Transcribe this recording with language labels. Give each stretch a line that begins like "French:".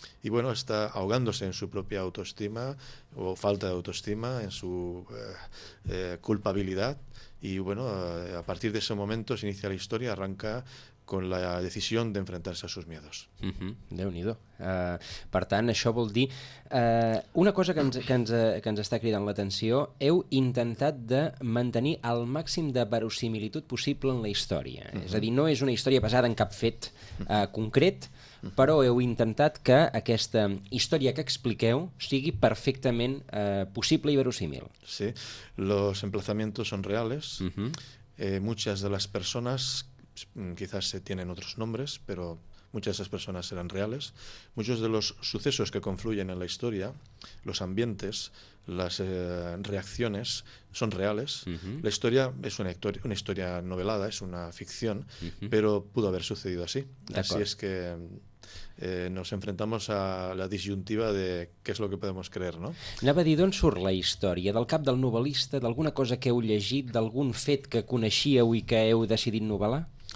Spanish: Y bueno, está ahogándose en su propia autoestima o falta de autoestima, en su culpabilidad. Y bueno, a partir de ese momento se inicia la historia, arranca con la decisión de enfrentarse a sus miedos.
Catalan: Uh-huh. Déu-n'hi-do. Per tant, això vol dir... una cosa que ens està cridant l'atenció, heu intentat de mantenir el màxim de verosimilitud possible en la història. Uh-huh. És a dir, no és una història basada en cap fet concret, però heu intentat que aquesta història que expliqueu sigui perfectament possible i verosímil.
Spanish: Sí, los emplazamientos son reales. Uh-huh. Muchas de las personas, quizás se tienen otros nombres, pero muchas de esas personas eran reales. Muchos de los sucesos que confluyen en la historia los ambientes, las reacciones son reales. La historia es una historia novelada, es una ficción, pero pudo haber sucedido así. Así es que nos enfrentamos a la disyuntiva de
Catalan: què és el que podem creure, no? Anava a dir, d'on surt la història? Del cap del novel·lista? D'alguna cosa que heu llegit? D'algun fet que coneixíeu i que heu decidit novel·lar?